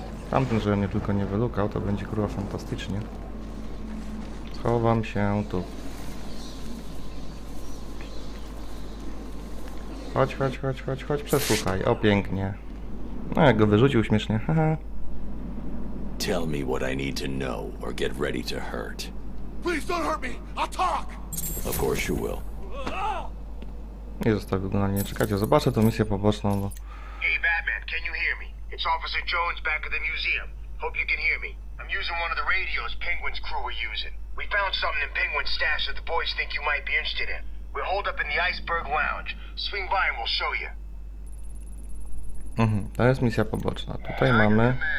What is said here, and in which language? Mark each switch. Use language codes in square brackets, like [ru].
[pl] Tamten, żeby mnie tylko nie wylukał, to będzie kurwa fantastycznie. Schowam się tu. Chodź, chodź, chodź, chodź, chodź, przesłuchaj. O, pięknie. No, jak go wyrzucił śmiesznie. [en] Tell me what I need to know, or get ready to hurt. Please don't hurt me. I'll talk. Of course you will. [pl] Nie zostawił go na mnie. Czekajcie, zobaczę tą misję poboczną. Bo... [en] Hey, Batman, can you hear me? It's Officer Jones back at the museum. Hope you can hear me. I'm using one of the radios Penguin's crew are using. We found something in Penguin's stash that the boys think you might be interested in. We hold up in the Iceberg Lounge. Swing by and we'll show you. [pl] Mhm, to jest misja poboczna. Tutaj mamy...